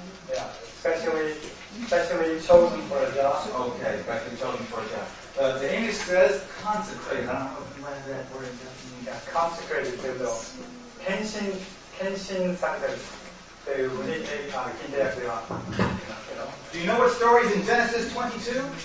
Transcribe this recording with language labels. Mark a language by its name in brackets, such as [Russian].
[English] Yeah, especially chosen for a job. Okay, especially chosen for a job. The English says consecrated. I don't know if you like that word in Japanese. [Japanese] Yeah, consecrated というと、献身されるというふうに聞いたやつでは。 [English] Do you know what story is in Genesis 22?